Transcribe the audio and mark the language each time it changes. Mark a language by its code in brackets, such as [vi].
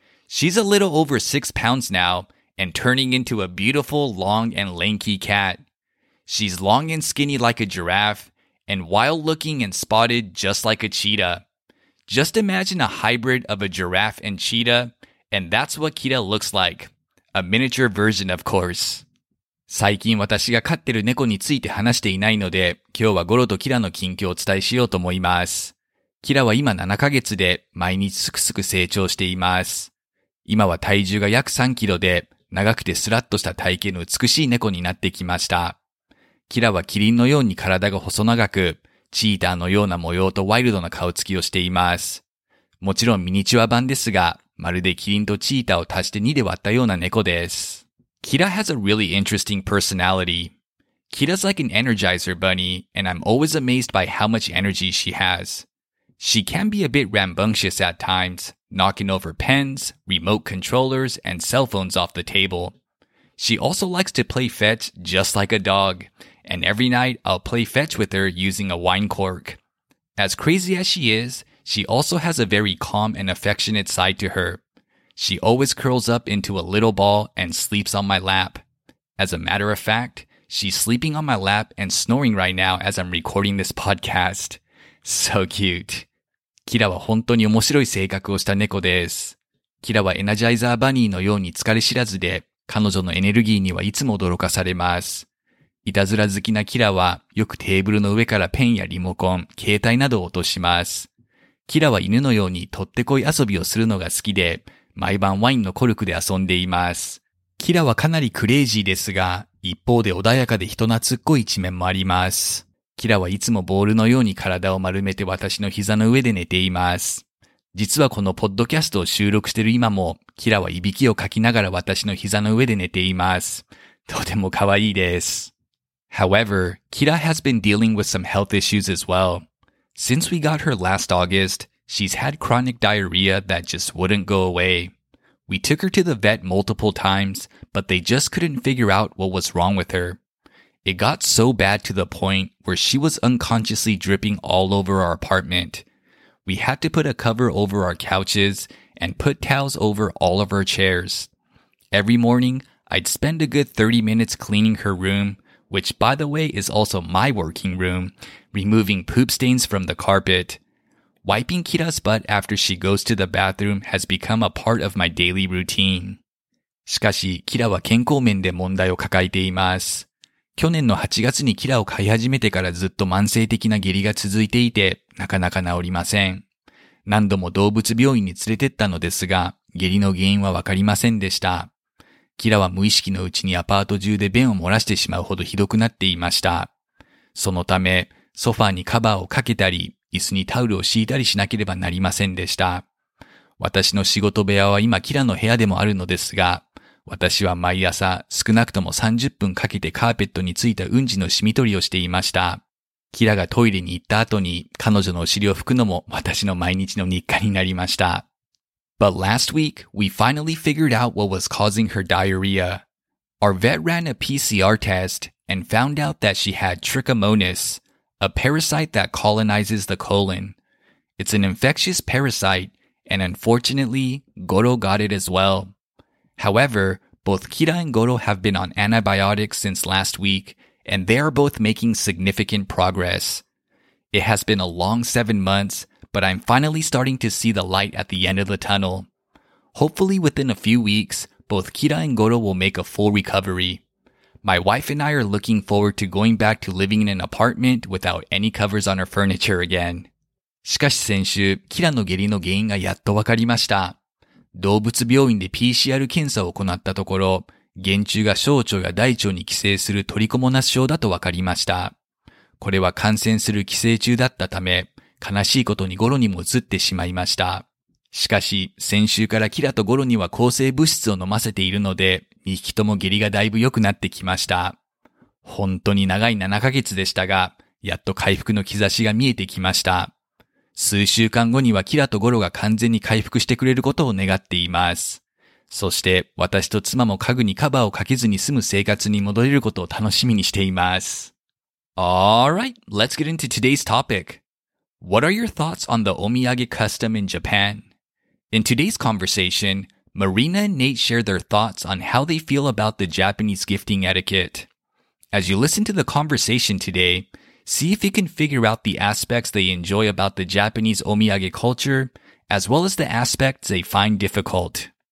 [en] She's a little over 6 pounds now, and turning into a beautiful, long, and lanky cat. She's long and skinny like a giraffe, and wild-looking and spotted just like a cheetah. Just imagine a hybrid of a giraffe and cheetah, and that's what Kira looks like. A miniature version, of course. [ja] 最近私が飼ってる猫について話していないので、今日はゴロとキラの近況をお伝えしようと思います。キラは今7ヶ月で毎日すくすく成長しています。今は体重が約3キロで、長くてスラッとした体型の美しい猫になってきました。キラはキリンのように体が細長く、チーターのような模様とワイルドな顔つきをしています。もちろんミニチュア版ですが、まるでキリンとチーターを足して2で割ったような猫です。 [en] Kira has a really interesting personality. Kira's like an energizer bunny, and I'm always amazed by how much energy she has. She can be a bit rambunctious at times, knocking over pens, remote controllers, and cell phones off the table. She also likes to play fetch just like a dog, and every night I'll play fetch with her using a wine cork. As crazy as she is, she also has a very calm and affectionate side to her. She always curls up into a little ball and sleeps on my lap. As a matter of fact, she's sleeping on my lap and snoring right now as I'm recording this podcast. So cute. [ja] キラは本当に面白い性格をした猫です。キラはエナジャイザーバニーのように疲れ知らずで、彼女のエネルギーにはいつも驚かされます。いたずら好きなキラは、よくテーブルの上からペンやリモコン、携帯などを落とします。キラは犬のようにとってこい遊びをするのが好きで、毎晩ワインのコルクで遊んでいます。キラはかなりクレイジーですが、一方で穏やかで人懐っこい一面もあります。キラはいつもボールのように体を丸めて私の膝の上で寝ています。実はこのポッドキャストを収録している今も、キラはいびきをかきながら私の膝の上で寝ています。とても可愛いです。 [en] However, Kira has been dealing with some health issues as well. Since we got her last August,She's had chronic diarrhea that just wouldn't go away. We took her to the vet multiple times, but they just couldn't figure out what was wrong with her. It got so bad to the point where she was unconsciously dripping all over our apartment. We had to put a cover over our couches and put towels over all of our chairs. Every morning, I'd spend a good 30 minutes cleaning her room, which by the way is also my working room, removing poop stains from the carpet. Wiping Kira's butt after she goes to the bathroom has become a part of my daily routine. [ja] しかし、キラは健康面で問題を抱えています。去年の8月にキラを飼い始めてからずっと慢性的な下痢が続いていて、なかなか治りません。何度も動物病院に連れてったのですが、下痢の原因はわかりませんでした。キラは無意識のうちにアパート中で便を漏らしてしまうほどひどくなっていました。そのため、ソファーにカバーをかけたり、椅子にタオルを敷いたりしなければなりませんでした。私の仕事部屋は今キラの部屋でもあるのですが、私は毎朝少なくとも30分かけてカーペットについたうんちの染み取りをしていました。キラがトイレに行った後に彼女のお尻を拭くのも私の毎日の日課になりました。 [en] But last week, we finally figured out what was causing her diarrhea. Our vet ran a PCR test and found out that she had Trichomonas. A parasite that colonizes the colon. It's an infectious parasite, and unfortunately, Goro got it as well. However, both Kira and Goro have been on antibiotics since last week, and they are both making significant progress. It has been a long 7 months, but I'm finally starting to see the light at the end of the tunnel. Hopefully within a few weeks, both Kira and Goro will make a full recovery. My wife and I are looking forward to going back to living in an apartment without any covers on our furniture again. [ja] しかし先週、キラの下痢の原因がやっとわかりました。動物病院で PCR 検査を行ったところ、原虫が小腸や大腸に寄生するトリコモナス症だとわかりました。これは感染する寄生虫だったため、悲しいことにゴロにも移ってしまいました。しかし、先週からキラとゴロには抗生物質を飲ませているので、2匹とも下痢がだいぶ良くなってきました。本当に長い7ヶ月でしたが、やっと回復の兆しが見えてきました。数週間後にはキラとゴロが完全に回復してくれることを願っています。そして、私と妻も家具にカバーをかけずに住む生活に戻れることを楽しみにしています。 [en] Alright, let's get into today's topic. What are your thoughts on the omiyage custom in Japan? In today's conversation, Marina and Nate share their thoughts on how they feel about the Japanese gifting etiquette. As you listen to the conversation today, see if you can figure out the aspects they enjoy about the Japanese omiyage culture, as well as the aspects they find difficult.